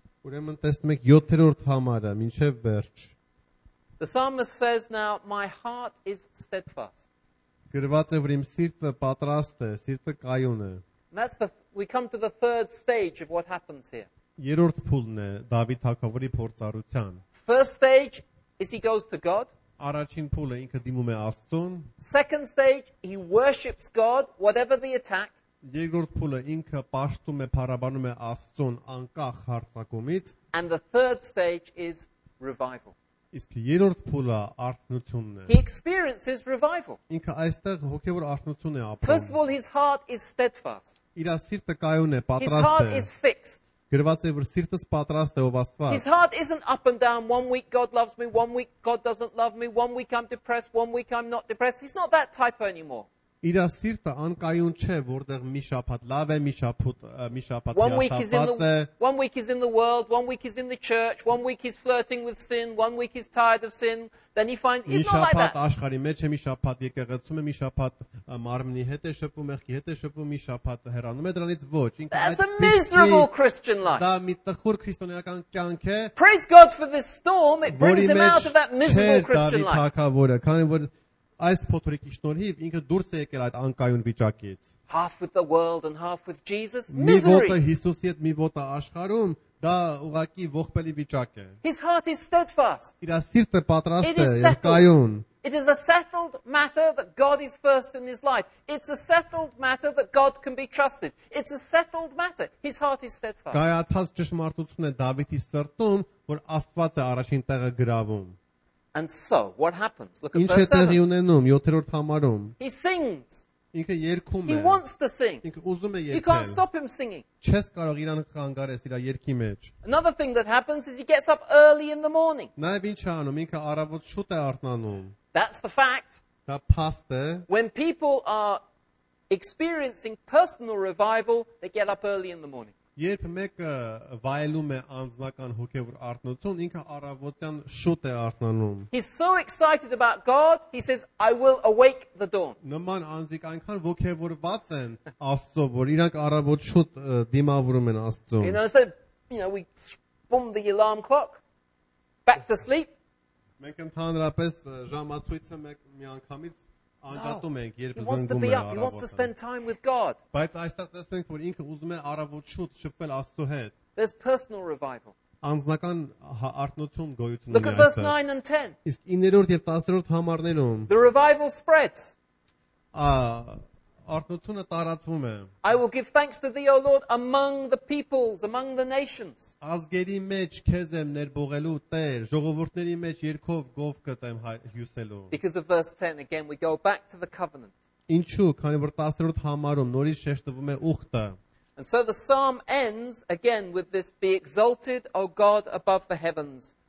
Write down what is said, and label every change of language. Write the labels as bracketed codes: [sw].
[hy] Ուրեմն տեսնում ենք 7-րդ համարը, մինչև վերջ. [en] The psalmist says now my heart is steadfast. [hy] Գրված է, որ իմ սիրտը պատրաստ է, սիրտը կայուն է. [en] We come to the third stage of what happens here. [hy] Երրորդ փուլն է Դավիթ թագավորի փորձառության. [en] First stage is he goes to God. [hy] Առաջին փուլը ինքը դիմում է Աստծուն. [en] Second stage he worships God whatever the attack. [hy] Երրորդ փուլը ինքը պաշտում է, փառաբանում է Աստծուն անկախ հարձակումից. [en] And the third stage is revival. [hy] Իսկ երրորդ փուլը արթնությունն է։ [en] He experiences revival. [hy] Ինքը այստեղ հոգևոր արթնություն է ապրում։ [en] First of all, his heart is steadfast. [hy] Իր սիրտը կայուն է, պատրաստ է։ [en] His heart is fixed. [hy] Գրված է, որ սիրտս պատրաստ է ով Աստված։ [en] His heart isn't up and down, one week God loves me, one week God doesn't love me, one week I'm depressed, one week I'm not depressed. He's not that type anymore. [hy] Իր սիրտը անկայուն չէ, որտեղ մի շաբաթ լավ է, մի շաբաթ միասապաց է. [en] One week is in the world, one week is in the church, one week is flirting with sin, one week is tired of sin. Then he finds it's not like that. [hy] Մի շաբաթ աշխարհի մեջ է, մի շաբաթ եկեղեցում է, մի շաբաթ մարմնի հետ է շփվում, մեղքի հետ է շփվում, մի շաբաթ հեռանում է դրանից, ոչ, ինքը այդպես է. [en] That's a miserable Christian life. [hy] Դա մի տխուր քրիստոնեական կյանք է. [en] Praise God for this storm, it brings him out of that miserable Christian life. [hy] Դա թակավորը, քանի որ այս փոթորիկի շնորհիվ ինքը դուրս է եկել այդ անկայուն վիճակից։ [en] Half with the world and half with Jesus. Misery. [hy] Մի ոտը Հիսուսի հետ, մի ոտը աշխարհում, դա ուղղակի ողբելի վիճակ է։ [en] His heart is steadfast. [hy] Իր սիրտը պատրաստ է անկայուն։ [en] It is a settled matter that God is first in his life. It's a settled matter that God can be trusted. It's a settled matter. His heart is steadfast. [hy] Գայացած ճշմարտություն է Դավիթի սրտում, որ Աստված է առաջին տեղը գրավում։ [en] And so, what happens? Look at verse 7. [hy] Յոթերորդ համարում. [en] He sings. [hy] Ինքը երգում է. [en] He wants to sing. [hy] Ինքը ուզում է երգել. [en] You can't stop him singing. [hy] Չես կարող իրան կանգարես իր երգի մեջ. [en] Another thing that happens is he gets up early in the morning. [hy] Նայ ինչ անում, ինքը առավոտ շուտ է արթնանում. [en] That's the fact. [hy] Դա փաստ է. [en] When people are experiencing personal revival, they get up early in the morning. [hy] Երբ մեկը վայելում է անձնական հոգևոր արթնություն, ինքը առավոտյան շուտ է արթնանում։ [en] He's so excited about God, he says, I will awake the dawn. [hy] Նման անձիկ այնքան ոգևորված են Աստծո, որ իրանք առավոտ շուտ դիմավորում են Աստծուն։ [en] You know, so, you know, we boom the alarm clock, back to sleep. [hy] Մենք ընդհանրապես ժամացույցը մեկ միանգամից անջատում ենք, երբ զնգում ենք առավոտ։ [en] He wants to spend time with God. [hy] Բայց այստեղ տեսնենք, որ ինքը ուզում է առավոտ շուտ շփվել Աստծո հետ։ [en] There's personal revival. [hy] Անձնական արթնություն գոյություն ունի։ [en] Look at verse 9 and 10. [hy] Իսկ 9-րդ եւ 10-րդ համարներում։ [en] The revival spreads. [hy] Արթնությունը տարածվում է։ [en] I will give thanks to thee, O Lord, among the peoples, among the nations. [hy] Ազգերի մեջ քեզ եմ ներբողելու Տեր, ժողովուրդների մեջ երգով գով կտեմ հյուսելու։ [en] Because of verse 10 again we go back to the covenant. [hy] Ինչու, քանի որ 10-րդ համարում նորից շեշտվում է ուխտը։ [en] And so the psalm ends again with this, be exalted, O God, above the heavens.